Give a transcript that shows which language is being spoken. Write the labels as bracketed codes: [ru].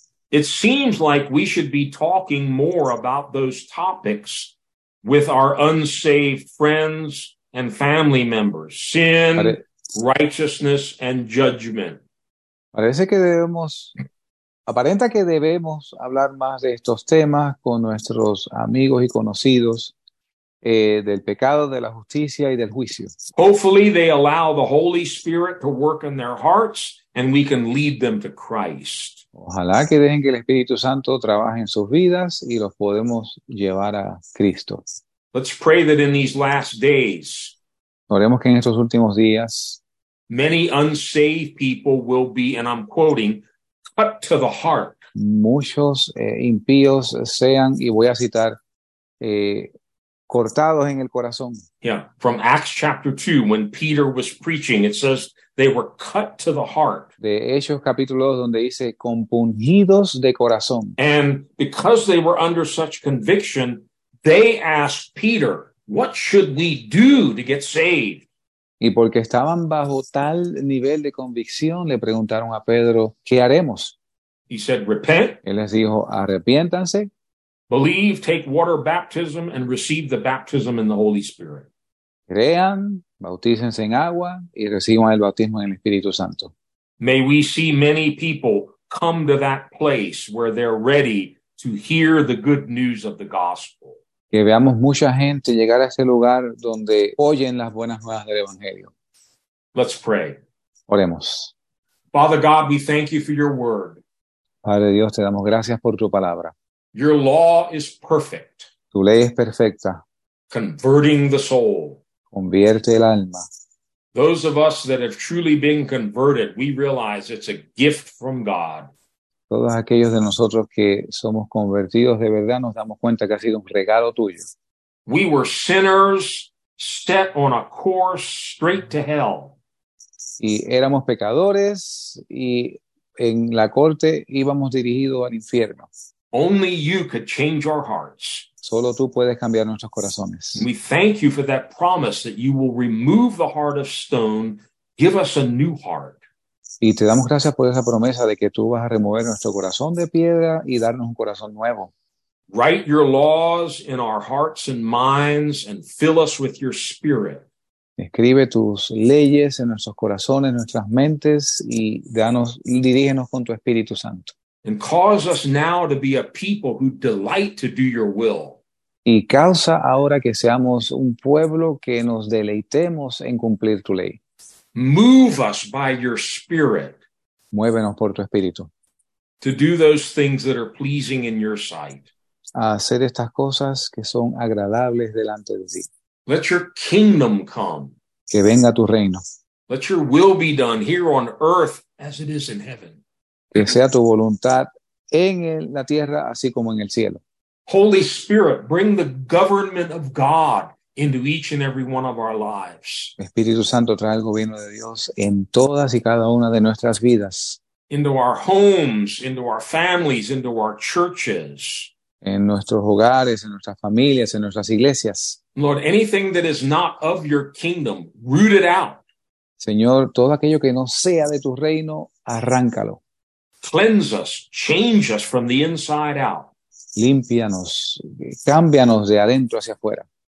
[en] It seems like we should be talking more about those topics with our unsaved friends and family members, sin, righteousness, and judgment. [es] Parece que debemos, aparenta que debemos hablar más de estos temas con nuestros amigos y conocidos, del pecado, de la justicia y del juicio. [en] Hopefully, they allow the Holy Spirit to work in their hearts and we can lead them to Christ. [es] Ojalá que dejen que el Espíritu Santo trabaje en sus vidas y los podemos llevar a Cristo. [en] Let's pray that in these last days, [es] Oremos que en estos últimos días [en] many unsaved people will be, and I'm quoting, cut to the heart. [es] muchos impíos sean, y voy a citar, cortados en el corazón. [en] Yeah, from Acts chapter 2, when Peter was preaching, it says they were cut to the heart. [es] De Hechos capítulo 2, donde dice, compungidos de corazón. [en] And because they were under such conviction, they asked Peter, "What should we do to get saved?" [es] Y porque estaban bajo tal nivel de convicción, le preguntaron a Pedro, ¿qué haremos? [en] He said, "Repent, [es] Él les dijo, arrepiéntanse. [en] believe, take water baptism, and receive the baptism in the Holy Spirit." [es] Crean, bautícense en agua y reciban el bautismo en el Espíritu Santo. [en] May we see many people come to that place where they're ready to hear the good news of the gospel. [es] Que veamos mucha gente llegar a ese lugar donde oyen las buenas nuevas del Evangelio. [en] Let's pray. [es] Oremos. [en] Father God, we thank you for your word. [es] Padre Dios, te damos gracias por tu palabra. [en] Your law is perfect, [es] Tu ley es perfecta. [en] converting the soul. [es] Convierte el alma. [en] Those of us that have truly been converted, we realize it's a gift from God. [es] Todos aquellos de nosotros que somos convertidos de verdad nos damos cuenta que ha sido un regalo tuyo. [en] We were sinners set on a course straight to hell. [es] y éramos pecadores y en la corte íbamos dirigidos al infierno. [en] Only you could change our hearts. [es] Solo tú puedes cambiar nuestros corazones. [en] We thank you for that promise that you will remove the heart of stone, give us a new heart. [es] Y te damos gracias por esa promesa de que tú vas a remover nuestro corazón de piedra y darnos un corazón nuevo. [en] Write your laws in our hearts and minds and fill us with your spirit. [es] Escribe tus leyes en nuestros corazones, nuestras mentes y danos, dirígenos con tu Espíritu Santo. [en] And cause us now to be a people who delight to do your will. [es] Y causa ahora que seamos un pueblo que nos deleitemos en cumplir tu ley. [en] Move us by your spirit. [es] Muévenos por tu espíritu. [en] To do those things that are pleasing in your sight. [es] A hacer estas cosas que son agradables delante de ti. [en] Let your kingdom come. [es] Que venga tu reino. [en] Let your will be done here on earth as it is in heaven. [es] Que sea tu voluntad en la tierra así como en el cielo. [en] Holy Spirit, bring the government of God into each and every one of our lives. [es] Espíritu Santo, trae el gobierno de Dios en todas y cada una de nuestras vidas. [en] Into our homes, into our families, into our churches. [es] En nuestros hogares, en nuestras familias, en nuestras iglesias. [en] Lord, anything that is not of your kingdom, root it out. [es] Señor, todo aquello que no sea de tu reino, arráncalo. [en] Cleanse us, change us from the inside out. [es] Límpianos, cámbianos de adentro hacia afuera.